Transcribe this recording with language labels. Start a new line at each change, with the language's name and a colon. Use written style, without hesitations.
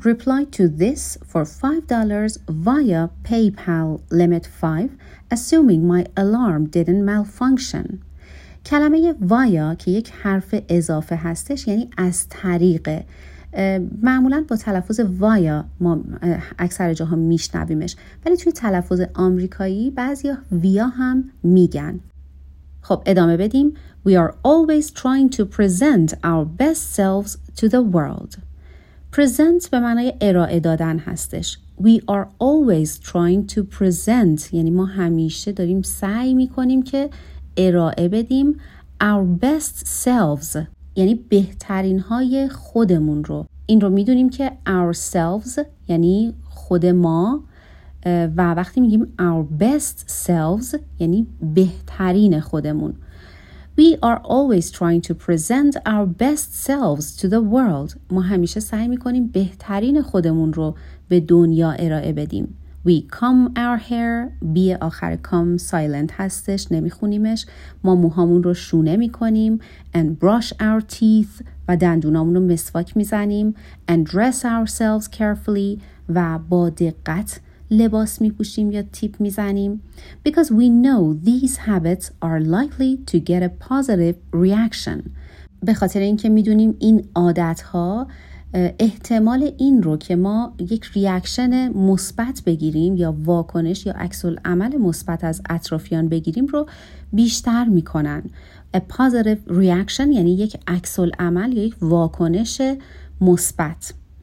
English: Reply to this for $5 via PayPal limit 5 assuming my alarm didn't malfunction.
Persian: کلمه via که یک حرف اضافه هستش یعنی از طریق. معمولا با تلفظ via ما اکثر جاها میشنویمش، ولی توی تلفظ آمریکایی بعضیا via هم میگن. خب ادامه بدیم.
English: We are always trying to present our best selves to the world.
Persian: Present به معنای ارائه دادن هستش.
English: We are always trying to present
Persian: یعنی ما همیشه داریم سعی میکنیم که ارائه بدیم
English: our best selves
Persian: یعنی بهترین های خودمون رو. این رو میدونیم که ourselves یعنی خود ما، و وقتی میگیم our best selves یعنی بهترین خودمون.
English: We are always trying to present our best selves to the world.
Persian: ما همیشه سعی میکنیم بهترین خودمون رو به دنیا ارائه بدیم.
English: We comb our hair.
Persian: بی آخر comb silent هستش، نمیخونیمش. ما موهامون رو شونه میکنیم.
English: And brush our teeth
Persian: و دندونامون رو مسواک میزنیم.
English: And dress ourselves carefully
Persian: و با دقت لباس می پوشیم یا تیپ می زنیم.
English: Because we know these habits are likely to get a positive reaction.
Persian: به خاطر اینکه می دونیم این عادت ها احتمال این رو که ما یک ریاکشن مثبت بگیریم یا واکنش یا عکس العمل مثبت از اطرافیان بگیریم رو بیشتر می کنن.
English: A positive reaction
Persian: یعنی یک عکس العمل یا یک واکنش مثبت.